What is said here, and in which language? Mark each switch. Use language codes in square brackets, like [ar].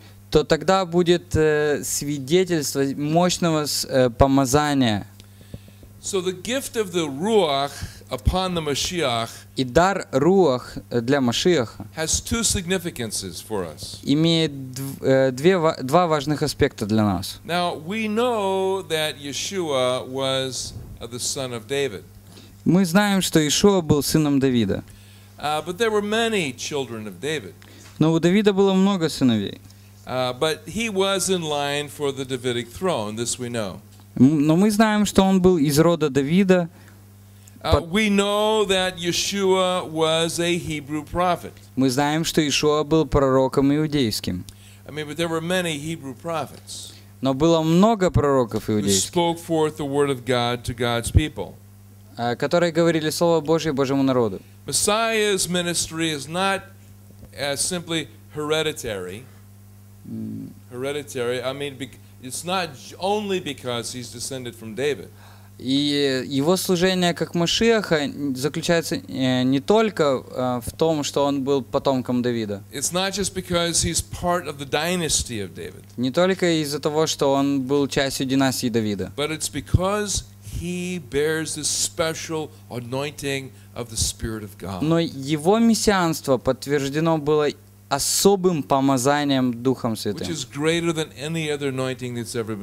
[ru] то тогда будет свидетельство мощного помазания. [en] So the gift of the Ruach upon the Mashiach. [ru] И дар Руах для Машиаха. [en] Has two significances for us. [ru] Имеет два важных аспекта для нас. [en] Now we know that Yeshua was the son of David. [ru] Мы знаем, что Иешуа был сыном Давида. [en] But there were many children of David. [ru] Но у Давида было много сыновей. [en] But he was in line for the Davidic throne. This we know. [ru] Но мы знаем, что он был из рода Давида. [en] We know that Yeshua was a Hebrew prophet. [ru] Мы знаем, что Иешуа был пророком иудейским. [en] I mean, but there were many Hebrew prophets. [ru] Но было много пророков иудейских. [en] Who spoke forth the word of God to God's people. [ru] Которые говорили слово Божье Божьему народу. [en] Messiah's ministry is not simply hereditary. Hereditary. I mean, it's not only because he's descended from David. [ru] И его служение как Машиаха заключается не только в том, что он был потомком Давида. [en] It's not just because he's part of the dynasty of David. [ru] Не только из-за того, что он был частью династии Давида. [en] But it's because he bears this special anointing of the Spirit of God. [ru] Но его мессианство подтверждено было особым помазанием Духом Святым, [en] which is greater than any other anointing that's ever been,